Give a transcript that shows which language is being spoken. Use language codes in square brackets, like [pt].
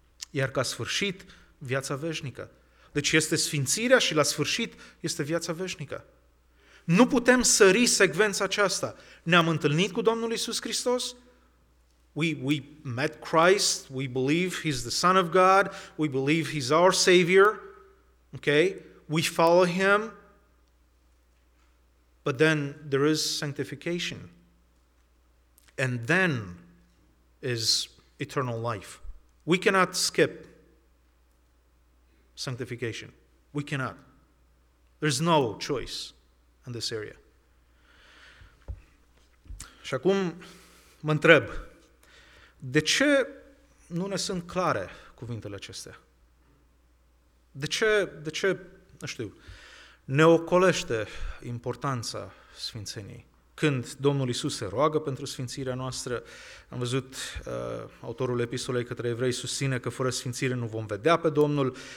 [ro] Iar ca sfârșit, viața veșnică. Deci este sfințirea și la sfârșit este viața veșnică. Nu putem sări secvența aceasta. Ne-am întâlnit cu Domnul Iisus Hristos? [en] We met Christ, we believe He's the Son of God, we believe He's our Savior, okay? We follow Him. But then there is sanctification. And then is eternal life. We cannot skip sanctification. We cannot. There's no choice in this area. [ro] Și acum mă întreb, de ce nu ne sunt clare cuvintele acestea? De ce, nu știu, ne ocolește importanța Sfințeniei. Când Domnul Iisus se roagă pentru sfințirea noastră, am văzut autorul epistolei către evrei susține că fără sfințire nu vom vedea pe Domnul.